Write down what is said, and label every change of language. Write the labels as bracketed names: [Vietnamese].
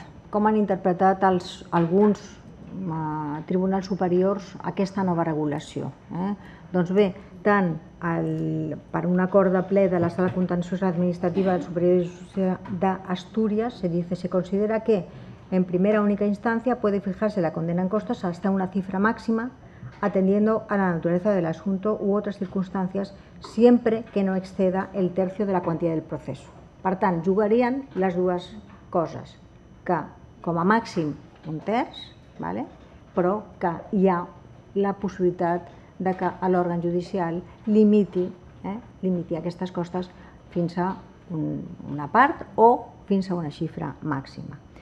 [Catalan] Com han interpretat alguns tribunals superiors aquesta nova regulació? Doncs bé, tant per un acord de ple de la sala contenciosa administrativa del Superior de Justícia d'Astúries [Spanish] se considera que en primera única instancia puede fijarse la condena en costas hasta una cifra máxima atendiendo a la naturaleza del asunto u otras circunstancias siempre que no exceda el tercio de la cuantía del proceso. [Catalan] Per tant, jugarien les dues coses, que com a màxim un terç, vale? Però que hi ha la possibilitat de que l'òrgan judicial limiti aquestes costes fins a una part o fins a una xifra màxima.